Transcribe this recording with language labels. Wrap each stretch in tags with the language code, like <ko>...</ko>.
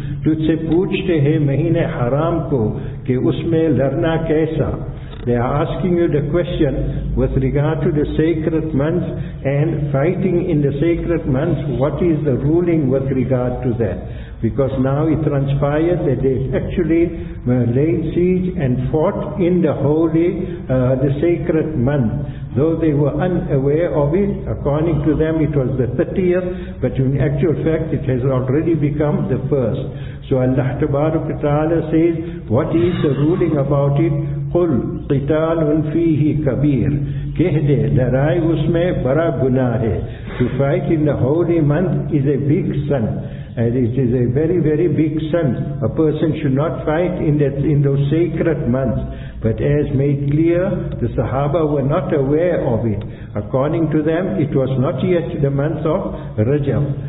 <ur>تجھ سے پوچھتے ہیں مہینے حرام کو کہ اس میں لڑنا کیسا.</ur> <en>They are asking you the question with regard to the sacred months and fighting in the sacred months, what is the ruling with regard to that? Because now it transpired that they actually laid siege and fought in the holy, the sacred month. Though they were unaware of it, according to them it was the 30th, but in actual fact it has already become the 1st. So Allah Tabaruk Ta'ala says, what is the ruling about it?</en> <ar>قُلْ قِتَالٌ فِيهِ كَبِيرٌ.</ar> <ur>کہہ دے لڑائی اس میں بڑا گناہ ہے.</ur> <en>To fight in the holy month is a big sin. And it is a very, very big sin. A person should not fight in those sacred months. But as made clear, the Sahaba were not aware of it. According to them, it was not yet the month of Rajab.</en>